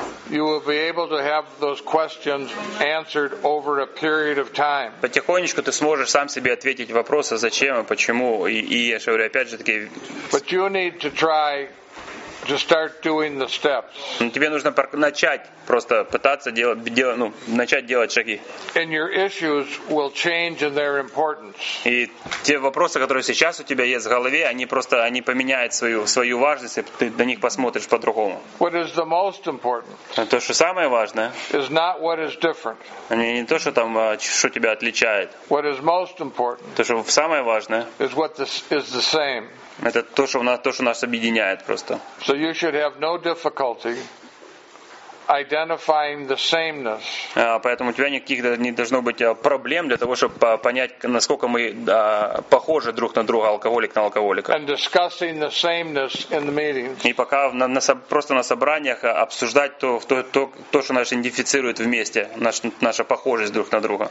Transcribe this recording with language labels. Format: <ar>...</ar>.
<en>You will be able to have those questions answered over a period of time.</en> <ru>Потихонечку ты сможешь сам себе ответить вопросы зачем и почему и я же говорю опять же такие.</ru> <en>But you need to try to start doing the steps.</en> <ru>Тебе нужно начать просто пытаться делать, ну, начать делать шаги.</ru> <en>And your issues will change in their importance.</en> <ru>И те вопросы, которые сейчас у тебя есть в голове, они просто они поменяют свою важность, если ты на них посмотришь по-другому.</ru> <en>What is the most important?</en> <ru>То, что самое важное.</ru> <en>Is not what is different.</en> <ru>Не то, что там что тебя отличает.</ru> <en>What is most important?</en> <ru>То, что самое важное.</ru> <en>Is what this is the same.</en> <ru>Это то, что нас объединяет просто.</ru> <en>So you should have no difficulty identifying the sameness.</en> <ru>Поэтому у тебя никаких не должно быть проблем для того, чтобы понять, насколько мы похожи друг на друга, алкоголик на алкоголика.</ru> <en>And discussing the sameness in the meetings.</en> <ru>И пока просто на собраниях обсуждать то, что нас идентифицирует вместе, наша похожесть друг на друга.</ru>